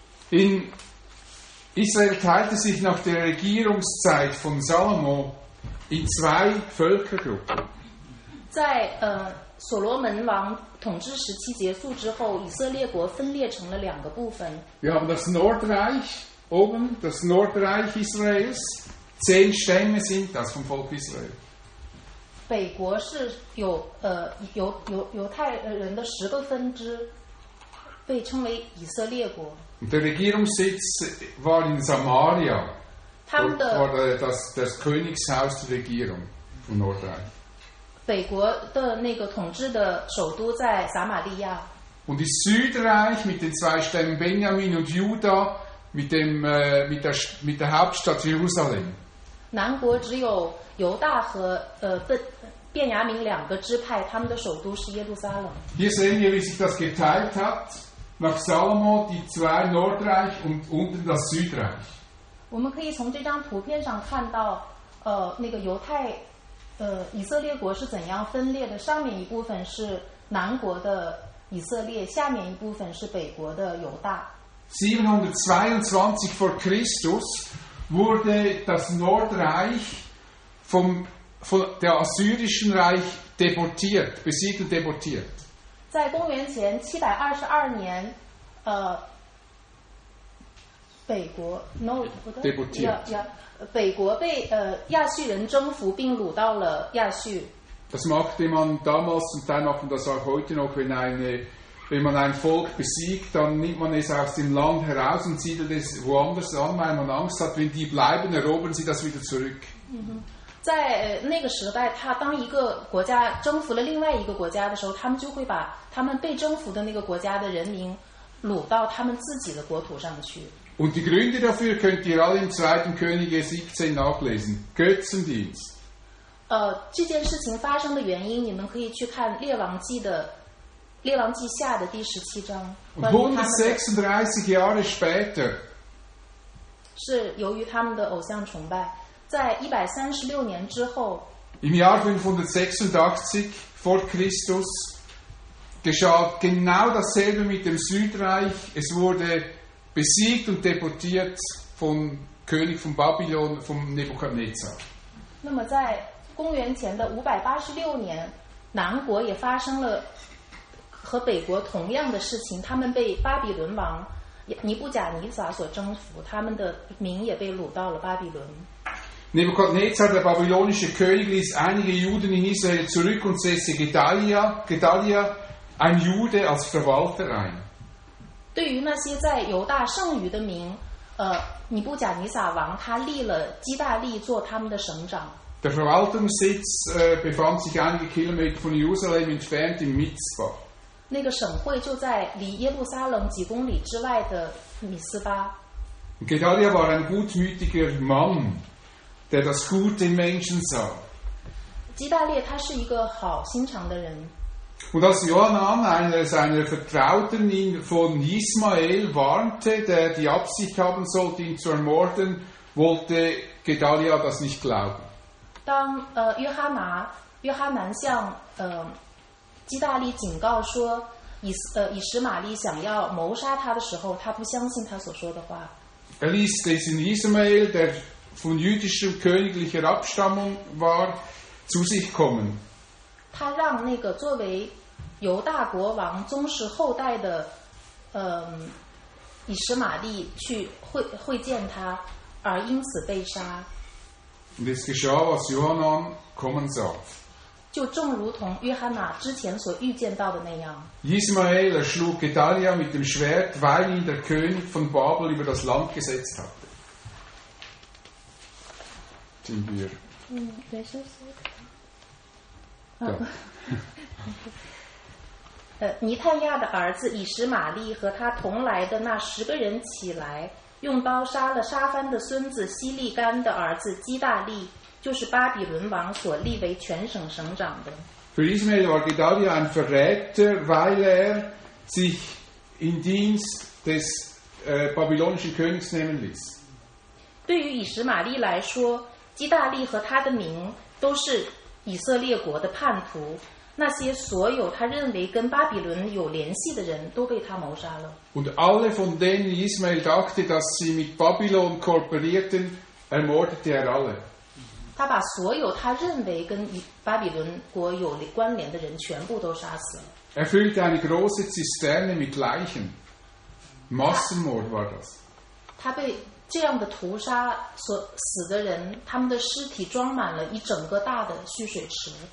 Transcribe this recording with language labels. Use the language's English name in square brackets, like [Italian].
[German] In Israel teilte sich nach der Regierungszeit von Salomo in zwei Völkergruppen. Wir haben das Nordreich. Oben, das Nordreich Israels, 10 Stämme sind das vom Volk Israel. [Chinese] 北国是有犹太人的十个分支，被称为以色列国。 [German] Der Regierungssitz war in Samaria. Das Königshaus der Regierung vom Nordreich. [Chinese] 北国的那个统治的首都在撒玛利亚。 [German] Und das Südreich mit den zwei Stämmen Benjamin und Juda. Mit der Hauptstadt Jerusalem. [Chinese] 南国只有犹大和便雅悯两个支派，他们的首都是耶路撒冷。 [German] Hier sehen wir, wie sich das geteilt hat. Nach Salomo die zwei Nordreich und unten das Südreich. [Chinese] 我们可以从这张图片上看到，那个犹太，以色列国是怎样分裂的？上面一部分是南国的以色列，下面一部分是北国的犹大。 [German] 722 vor Christus wurde das Nordreich von der Assyrischen Reich deportiert, besiegt und deportiert. [Chinese] 在公元前722年，北国 no [German] deportiert [Chinese] 北国被亚述人征服并掳到了亚述。 [German] Das machte man damals und dann machen das auch heute noch, wenn man ein Volk besiegt, dann nimmt man es aus dem Land heraus und siedelt es woanders an, weil man Angst hat, wenn die bleiben, erobern sie das wieder zurück. [Chinese] 在那个时代，他当一个国家征服了另外一个国家的时候，他们就会把他们被征服的那个国家的人民掳到他们自己的国土上去。 [German] Und die Gründe dafür könnt ihr alle im 2. Könige 17 nachlesen. Götzendienst. [Chinese] 这件事情发生的原因，你们可以去看《列王记》的。列王记下的第十七章。 [German] 136 Jahre später [Chinese] 是由于他们的偶像崇拜，在136年之后。 [German] Im Jahr 586 vor Christus geschah genau dasselbe mit dem Südreich. Es wurde besiegt und deportiert vom König von Babylon, vom Nebukadnezar. [Chinese] 那么在公元前的586年，南国也发生了。和北国同样的事情，他们被巴比伦王尼布甲尼撒所征服，他们的民也被掳到了巴比伦。 [German] Nebukadnezar, der babylonische König, ließ einige Juden in Israel zurück und setzte Gedalia, ein Jude, als Verwalter ein. [Chinese] 对于那些在犹大剩余的民，尼布甲尼撒王他立了基大利做他们的省长。 [German] Der Verwaltungssitz befand sich einige Kilometer von Jerusalem entfernt in Mitzpah. [Chinese] 那个省会就在离耶路撒冷几公里之外的米斯巴。 [German] Gedalia war ein gutmütiger Mann, der das Gute in Menschen sah. [Chinese] 基大列他是一个好心肠的人。 [German] Und als Johanan, einer seiner Vertrauten, ihn von Ismael warnte, der die Absicht haben sollte, ihn zu ermorden, wollte Gedalia das nicht glauben. [Chinese] 当约哈南向基大利警告说以实玛利想要谋杀他的时候，他不相信他所说的话。 [German] Er ließ diesen Ismael, der von jüdischer königlicher Abstammung war, zu sich kommen. [Chinese] 他让那个作为犹大国王宗室后代的以实玛利去会见他，而因此被杀。 [German] Und es geschah, was Johanan kommen sah. [Chinese] 就正如同约翰娜之前所预见到的那样。 [German] Ismael erschlug Gedalia mit dem Schwert, weil ihn der König von Babel über das Land gesetzt hatte. Sind wir? Welches? Da. [Chinese] 尼泰亚的儿子以实玛利和他同来的那十个人起来。用刀杀了沙番的孙子希利干的儿子基大利，就是巴比伦王所立为全省省长的。 [German] Für Ismael war Gedalia ein Verräter, weil er sich in Dienst des babylonischen Königs nehmen ließ. [Chinese] 对于以实玛利来说，基大利和他的民都是以色列国的叛徒，那些所有他认为跟巴比伦有联系的人都被他谋杀了。 [German] Und alle von denen Ismael dachte, dass sie mit Babylon kooperierten, ermordete er alle. [Chinese] 他把所有他认为跟巴比伦国有关联的人全部都杀死了。 [German] Er füllte eine große Zisterne mit Leichen. Massenmord war das. [Chinese] 他被这样的屠杀所死的人，他们的尸体装满了一整个大的蓄水池。